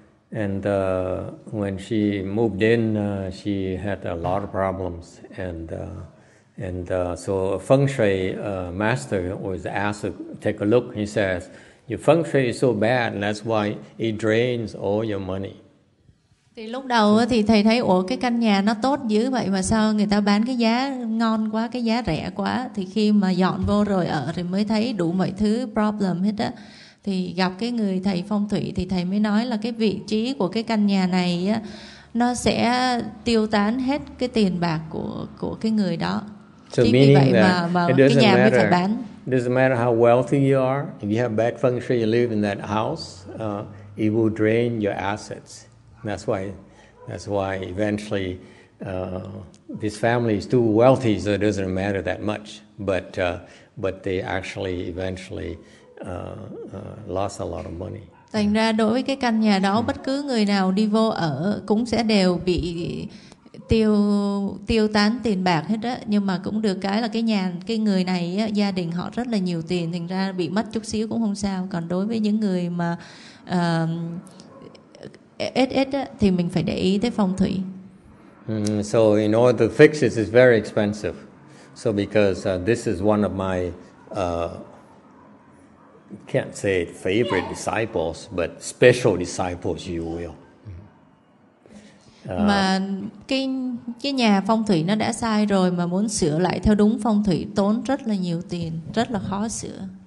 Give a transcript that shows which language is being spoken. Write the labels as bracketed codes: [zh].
[en] And when she moved in, she had a lot of problems, and so a feng shui master was asked to take a look. He says, Your feng shui is so bad, and that's why it drains all your money. [vi] Thì lúc đầu thì thầy thấy, ủa cái căn nhà nó tốt dữ vậy mà sao người ta bán cái giá ngon quá, cái giá rẻ quá. Thì khi mà dọn vô rồi ở thì mới thấy đủ mọi thứ problem hết á. Thì gặp cái người thầy phong thủy thì thầy mới nói là cái vị trí của cái căn nhà này á, nó sẽ tiêu tán hết cái tiền bạc của cái người đó. [en] So [vi] chính [en] meaning [vi] vì vậy [en] that [vi] mà cái nhà mới phải bán. [en] It doesn't matter how wealthy you are, if you have bad feng shui, you live in that house, it will drain your assets. That's why eventually this family is too wealthy, so it doesn't matter that much. But they actually eventually lost a lot of money. [vi] Thành ra đối với cái căn nhà đó, bất cứ người nào đi vô ở cũng sẽ đều bị tiêu tán tiền bạc hết á. Nhưng mà cũng được cái là cái nhà, cái người này á, gia đình họ rất là nhiều tiền, thành ra bị mất chút xíu cũng không sao. Còn đối với những người mà ít á, thì mình phải để ý tới phong thủy. [en] So in order to fix this is very expensive. So because this is one of my can't say favorite disciples, but special disciples, you will. [vi] Mà cái nhà phong thủy nó đã sai rồi mà muốn sửa lại theo đúng phong thủy tốn rất là nhiều tiền, rất là khó sửa.